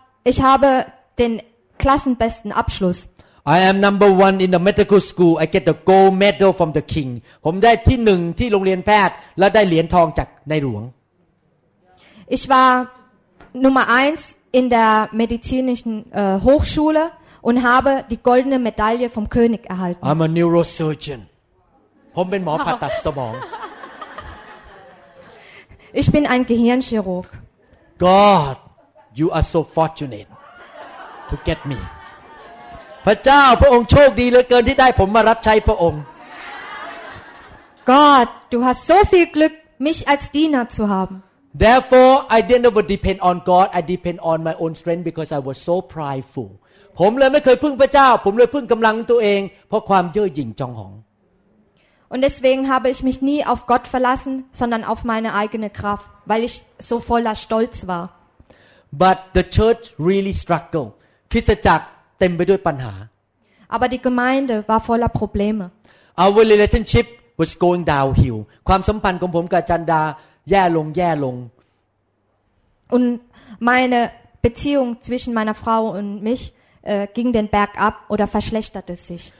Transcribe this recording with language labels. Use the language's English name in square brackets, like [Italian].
[German] Ich habe den klassenbesten Abschluss. [English] I am number one in the medical school. I get the gold medal from the king. [Thai] ผมได้ที่หนึ่งที่โรงเรียนแพทย์และได้เหรียญทองจากนายหลวง [German] Ich warNummer 1 in der medizinischen Hochschule und habe die goldene Medaille vom König erhalten. [English] I'm a neurosurgeon. [Thai] ผมเป็นหมอผ่าตัดสมอง [German] Ich bin ein Gehirnchirurg. [English] God, you are so fortunate to get me. [Thai] พระเจ้าพระองค์โชคดีเหลือเกินที่ได้ผมมารับใช้พระองค์ [German] God, du hast so viel Glück, mich als Diener zu haben. [English] Therefore, I didn't ever depend on God. I depend on my own strength because I was so prideful. [Thai] ผมเลยไม่เคยพึ่งพระเจ้าผมเลยพึ่งกำลังตัวเองเพราะความเย่อหยิ่งจองหอง [German] Und deswegen habe ich mich nie auf Gott verlassen, sondern auf meine eigene Kraft, weil ich so voller Stolz war. [English] But the church really struggled. [Thai] คริสตจักรเต็มไปด้วยปัญหา [German] Aber die Gemeinde war voller Probleme. [English] Our relationship was going downhill. [Thai] ความสัมพันธ์ของผมกับจันดาแย่ลงแย่ลง [German] Und meine Beziehung zwischen meiner Frau und mich ging den Berg ab oder verschlechterte sich.